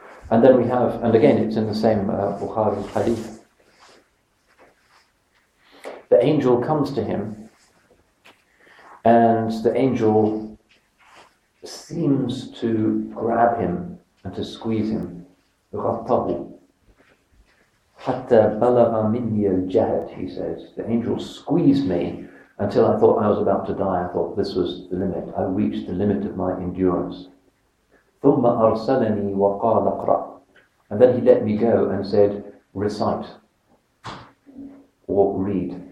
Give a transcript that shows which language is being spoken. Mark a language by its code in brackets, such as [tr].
[en] And then we have, and again it's in the same Bukhari hadith, the angel comes to him, and the angel seems to grab him and to squeeze him. [ar] غطبه حتى بلغ مني الجهد, [en] he says. The angel squeezed me until I thought I was about to die. I thought this was the limit. I reached the limit of my endurance. [ar] ثم أرسلني وقال اقرأ. [en] And then he let me go and said, recite or read.